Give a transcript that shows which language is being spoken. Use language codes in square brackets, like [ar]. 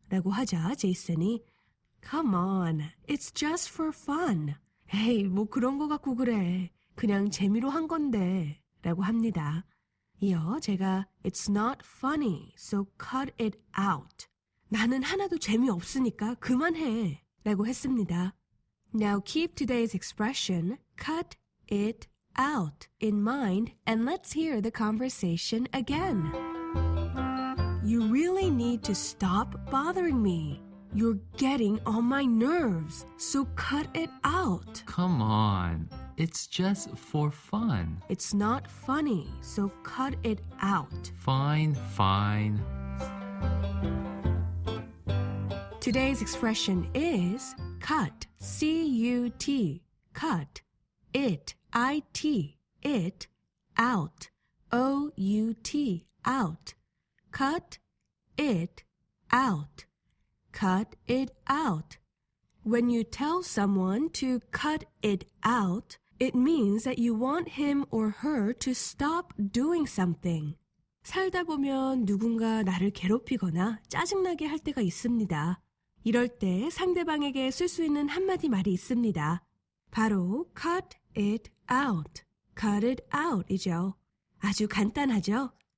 [ko] 라고 하자 제이슨이 [en] Come on, it's just for fun. [ko] 에이, 뭐 그런 거 갖고 그래. 그냥 재미로 한 건데 라고 합니다. 이어 제가 [en] It's not funny, so cut it out. [ko] 나는 하나도 재미없으니까 그만해 라고 했습니다. [en] Now keep today's expression, cut it out, in mind, and let's hear the conversation again. You really need to stop bothering me. You're getting on my nerves, so cut it out. Come on, it's just for fun. It's not funny, so cut it out. Fine, fine. Today's expression is cut, C-U-T, cut, it, I-T, it, out, O-U-T, out, cut, it, out, cut it out. When you tell someone to cut it out, it means that you want him or her to stop doing something. [ko] 살다 보면 누군가 나를 괴롭히거나 짜증나게 할 때가 있습니다. 이럴 때 상대방에게 쓸 수 있는 한마디 말이 있습니다. 바로 [en] cut it out. cut it out이죠. [ko] 아주 간단하죠?